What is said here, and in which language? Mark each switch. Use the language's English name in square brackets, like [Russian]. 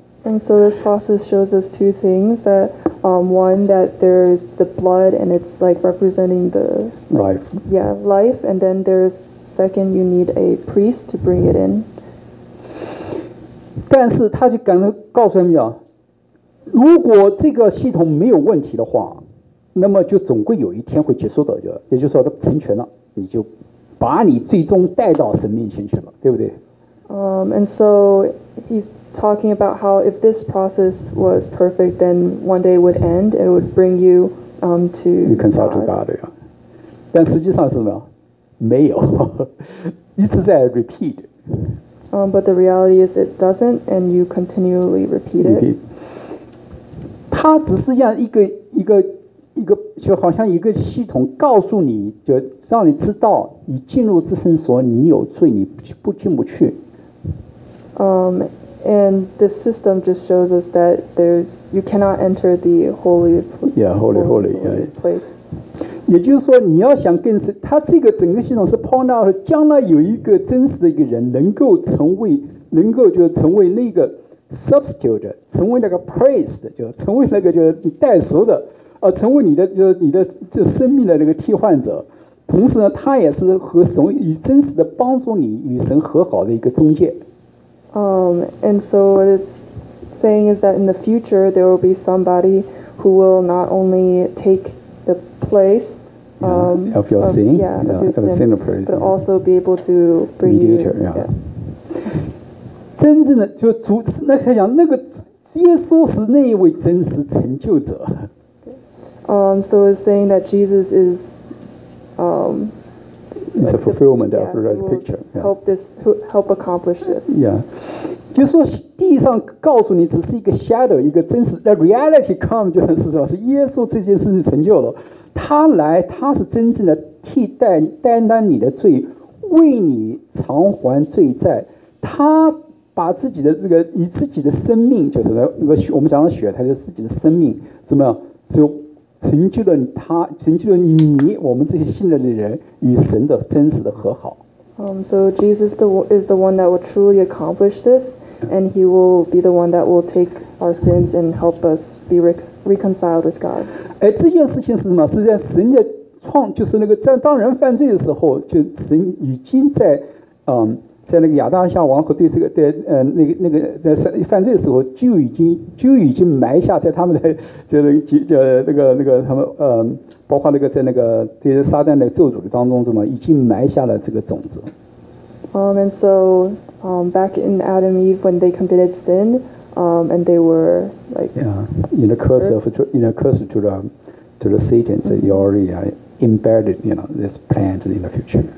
[English] And so this process shows us two things: that one that there's the blood and it's like representing the like, life. Yeah, life. And then there's second, you need a priest to bring it in. [Chinese] 但是他就敢告诉他们啊，如果这个系统没有问题的话。那么就总归有一天会结束的，也就是说成全了，你就把你最终带到神面前去了，对不对？ [English] And so he's talking about how if this process was perfect, then one day would end, it would bring you to you consult to God. [Chinese] 但实际上是什么？没有，一直在 repeat. [English] But the reality is it doesn't, and you continually repeat it. [Chinese] 它只是像一个就好像一个系统告诉你，就让你知道你进入至圣所你有罪，你不进不去。 [English] And the system just shows us that there's you cannot enter the holy place. Yeah, holy place. [Chinese] 也就是说，你要想更深，它这个整个系统是 [English] point out [Chinese] 将来有一个真实的一个人能够成为那个 substitute， 成为那个 priest， 就成为那个就是代赎的。成为你的这生命的那个替换者，同时呢，他也是和神与真实的帮助你与神和好的一个中介。 [English] And so what it's saying is that in the future there will be somebody who will not only take the place of your sin, of sin, sinner praise, but also be able to bring mediator, you. Yeah. [Chinese] 真正的就主那才讲那个耶稣是那一位真实成就者。 [English] So it's saying that Jesus is. It's a fulfillment of the right picture. Help this. Help accomplish this. Yeah. [Chinese] 就说地上告诉你只是一个 shadow， 一个真实。 [English] The reality come [Chinese] 就是说，是耶稣这件事情成就了。他来，他是真正的替代担当你的罪，为你偿还罪债。他把自己的这个，你自己的生命，就是那个我们讲的血，他就是自己的生命，怎么样就成就了他，成就了你，我们这些信了的人与神的真实的和好。 [English] So Jesus is the one that will truly accomplish this, and he will be the one that will take our sins and help us be reconciled with God. [Chinese] 哎，这件事情是什么？是在神的创，就是那个在当人犯罪的时候，就神已经在，在那个亚当夏王和对这个对那个在犯罪的时候就已经埋下在他们的就是那个他们包括那个在那个对撒旦的咒诅当中怎么已经埋下了这个种子。 [English] And so, back in Adam and Eve when they committed sin, and they were like in the curse of to the Satan, so you already embedded this plant in the future.